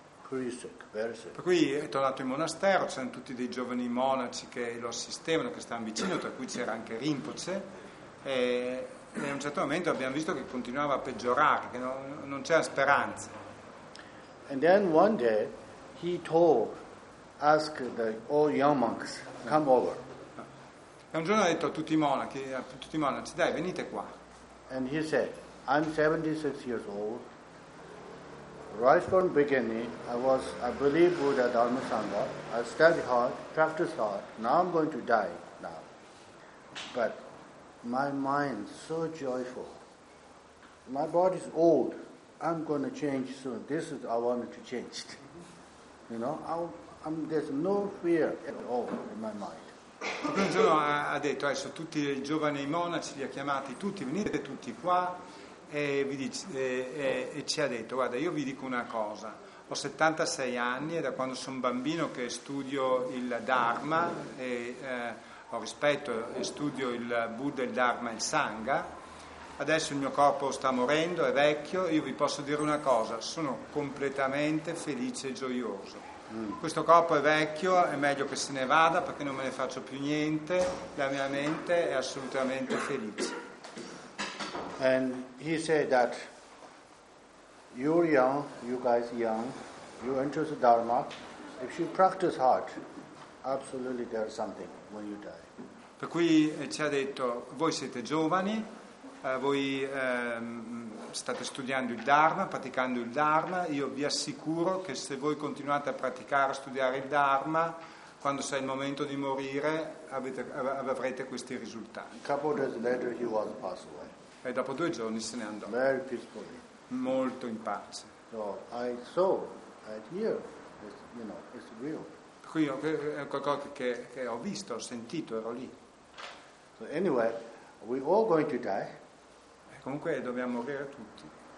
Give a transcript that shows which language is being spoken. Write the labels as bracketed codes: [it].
[it] Per cui è tornato in monastero, c'erano tutti dei giovani monaci che lo assistevano, che stavano vicino, tra cui c'era anche Rinpoche, e in un certo momento abbiamo visto che continuava a peggiorare, che non c'era speranza. [en] And then one day he asked all young monks, come over. [it] E un giorno ha detto a tutti i monaci, dai, venite qua. [en] And he said, I'm 76 years old. Right from the beginning, I believe Buddha Dharma Sangha. I studied hard, practiced hard. Now I'm going to die now. But my mind is so joyful. My body is old. I'm going to change soon. This is what I wanted to change. You know, there's no fear at all in my mind. [it] Un giorno ha detto, adesso tutti i giovani monaci li ha chiamati, tutti, venite tutti qua. E ci ha detto, guarda, io vi dico una cosa, ho 76 anni e da quando sono bambino che studio il Dharma e ho rispetto e studio il Buddha, il Dharma e il Sangha, adesso il mio corpo sta morendo, è vecchio, io vi posso dire una cosa, sono completamente felice e gioioso. Questo corpo è vecchio, è meglio che se ne vada perché non me ne faccio più niente, la mia mente è assolutamente felice. [en] And he said that you're young, you guys young, you enter the Dharma, if you practice hard, absolutely there's something when you die. [it] Per cui ci ha detto, voi siete giovani, voi state studiando il Dharma, praticando il Dharma, io vi assicuro che se voi continuate a praticare, a studiare il Dharma, quando sarà il momento di morire, avrete questi risultati. [en] A couple of days later he was passed away. [it] E dopo due giorni se ne andò. [en] Very peacefully. [it] Molto in pace. [en] So I saw right here, it's real. [it] Qui è qualcosa che ho visto, ho sentito, ero lì. [en] So anyway, we all going to die. [it] E comunque dobbiamo morire tutti.